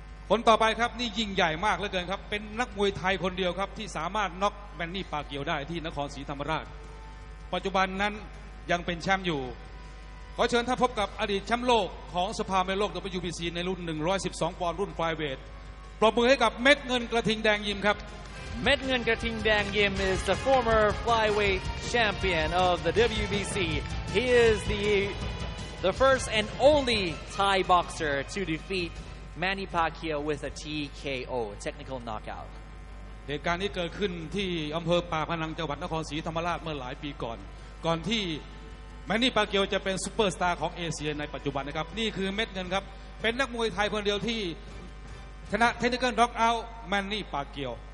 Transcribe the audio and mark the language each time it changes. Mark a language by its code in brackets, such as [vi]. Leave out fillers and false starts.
[th] คนต่อไปครับนี่ยิ่งใหญ่มากเหลือเกินครับเป็นนักมวยไทยคนเดียวครับที่สามารถน็อกแมนนี่ปาเกียวได้ที่นครศรีธรรมราชปัจจุบันนั้นยังเป็นแชมป์อยู่ขอเชิญท่านพบกับอดีตแชมป์โลกของสภามวยโลก WBC ในรุ่น112ปอนด์รุ่นไฟเวทปรบมือให้กับเม็ดเงินกระทิงแดงยิมครับ [en] เม็ดเงินกระทิงแดงยิม is the former flyweight champion of the WBC he is the first and only Thai boxer to defeat Manny Pacquiao with a TKO technical knockout [th] เหตุการณ์นี้เกิดขึ้นที่อำเภอปากพนังจังหวัดนครศรีธรรมราชเมื่อหลายปีก่อนที่แมนนี่ปาเกียวจะเป็นซูเปอร์สตาร์ของเอเชียในปัจจุบันนะครับนี่คือเม็ดเงินครับเป็นนักมวยไทยคนเดียวที่ชนะเทคนิคอลน็อคเอาท์แมนนี่ปาเกียว